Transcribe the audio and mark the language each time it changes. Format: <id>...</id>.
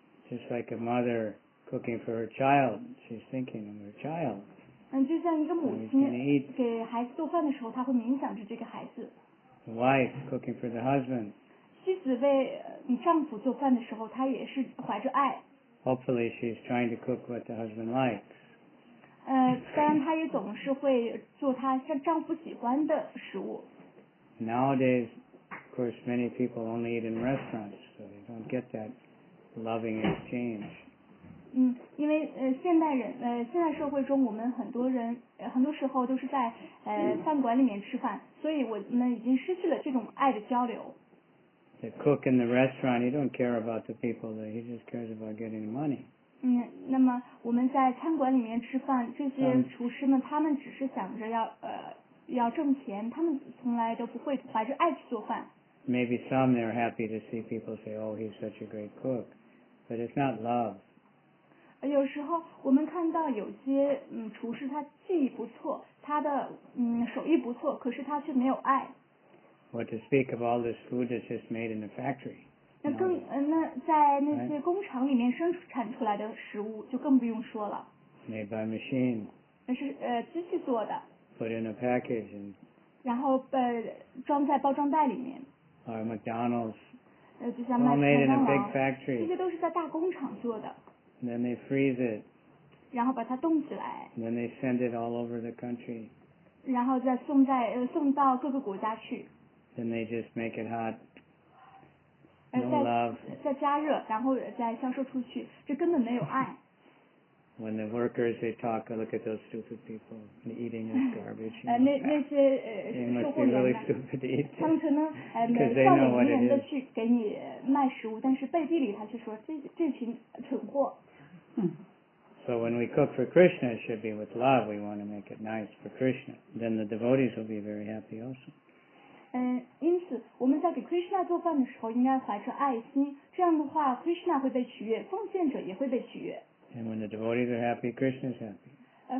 <en>Just like a mother cooking for her child, she's thinking of her child.</en> <zh>就像一个母亲给孩子做饭的时候，她会冥想着这个孩子。</zh> <en>The wife cooking for the husband.</en> <zh>妻子为丈夫做饭的时候，她也是怀着爱。</zh> <en>Hopefully she's trying to cook what the husband likes.</en> <zh>当然她也总是会做她像丈夫喜欢的食物。</zh> <en>Nowadays, of course, many people only eat in restaurants, so they don't get that loving exchange.</en> <zh>因为现代社会中我们很多时候都是在饭馆里面吃饭，所以我们已经失去了这种爱的交流。</zh> <en>The cook in the restaurant, he don't care about the people there. He just cares about getting money.</en> <zh>那么我们在餐馆里面吃饭，这些厨师们，他们只是想着要挣钱，他们从来都不会怀着爱去做饭。</zh> <en>Maybe some they're happy to see people say, "Oh, he's such a great cook," but it's not love.</en> <zh>有时候我们看到有些厨师他技艺不错，他的手艺不错，可是他却没有爱。</zh> <en>What to speak of all this food that's just made in the factory?</en> <zh>那在那些工厂里面生产出来的食物就更不用说了。</zh> <en>Made by machine.</en> <zh>那是机器做的。</zh> <en>Put in a package and.</en> <zh>然后装在包装袋里面。</zh> <en>Or McDonald's.</en> <zh>就像麦当劳。</zh> <en>All made in a big factory.</en> <zh>这些都是在大工厂做的。</zh> <en>Then they freeze it.</en> <zh>然后把它冻起来。</zh> <en>Then they send it all over the country.</en> <zh>然后再送到各个国家去。</zh> <en>Then they just make it hot. No love.</en> <zh>再加热，然后再销售出去，这根本没有爱。</zh> <en>When the workers, they talk, I look at those stupid people eating this garbage. You know, they must be really stupid to eat this. Because they know what it is.</en> <zh>给你卖食物，但是背地里他却说这群蠢货。</zh> <en>So when we cook for Krishna, it should be with love. We want to make it nice for Krishna. Then the devotees will be very happy also.</en> <zh>因此我们在给 Krishna 做饭的时候应该怀着爱心，这样的话 Krishna 会被取悦，奉献者也会被取悦。</zh> <en>And when the devotees are happy, Krishna is happy.</en>